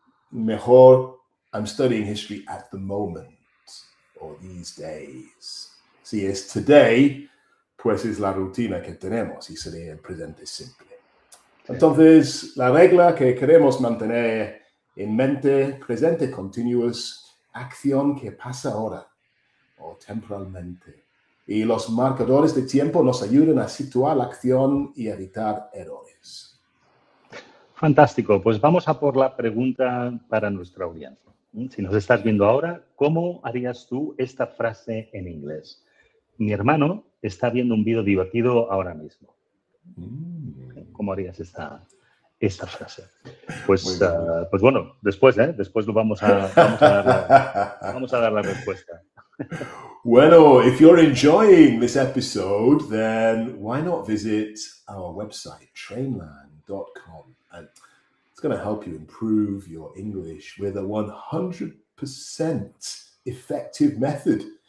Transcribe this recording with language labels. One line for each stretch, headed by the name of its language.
English: Mejor, I'm studying history at the moment, or these days.
Spanish: Si es today, pues es la rutina que tenemos, y sería el presente simple. Entonces, la regla que queremos mantener en mente, presente continuous, acción que pasa ahora, o temporalmente. Y los marcadores de tiempo nos ayudan a situar la acción y evitar errores. Fantástico. Pues vamos a por la pregunta para nuestra audiencia. Si nos estás viendo ahora, ¿cómo harías tú esta frase en inglés? Mi hermano está viendo un video divertido ahora mismo. ¿Cómo harías esta frase? Pues bueno, después, ¿eh? Después vamos a dar la respuesta.
English: Bueno, if you're enjoying this episode, then why not visit our website, trainland.com? And it's going to help you improve your English with a 100% effective method.